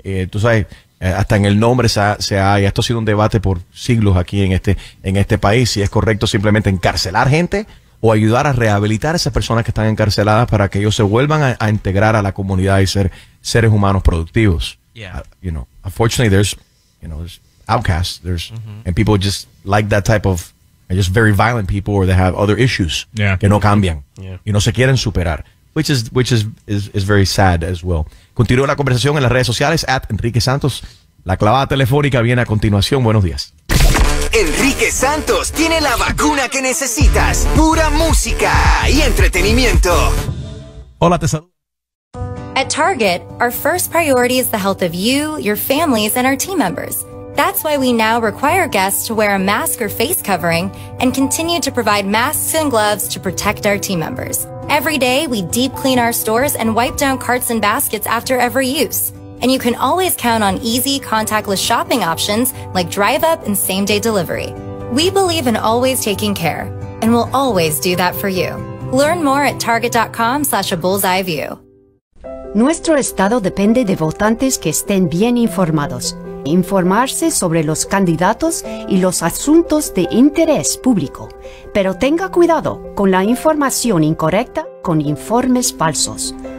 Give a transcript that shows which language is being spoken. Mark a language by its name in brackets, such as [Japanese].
[Spanish] Tú sabes, hasta en el nombre se ha, y esto ha sido un debate por siglos aquí en este país, si es correcto simplemente encarcelar gente o ayudar a rehabilitar a esas personas que están encarceladas para que ellos se vuelvan a integrar a la comunidad y ser seres humanos productivos. [English] Yeah. You know, unfortunately there's outcasts, there's mm-hmm. and people just like that type of just very violent people or they have other issues [Spanish] que no cambian y no se quieren superar. [English] Which is very sad as well. [Spanish] Continúa la conversación en las redes sociales @EnriqueSantos. La clavada telefónica viene a continuación. Buenos días. Enrique Santos tiene la vacuna que necesitas. Pura música y entretenimiento. Hola, te saludo. [English] At Target, our first priority is the health of you, your families, and our team members. That's why we now require guests to wear a mask or face covering and continue to provide masks and gloves to protect our team members. Every day, we deep clean our stores and wipe down carts and baskets after every use. And you can always count on easy, contactless shopping options like drive-up and same-day delivery. We believe in always taking care, and we'll always do that for you. Learn more at target.com/abullseyeview. [Spanish] Nuestro estado depende de votantes que estén bien informados. Informarse sobre los candidatos y los asuntos de interés público. Pero tenga cuidado con la información incorrecta con informes falsos.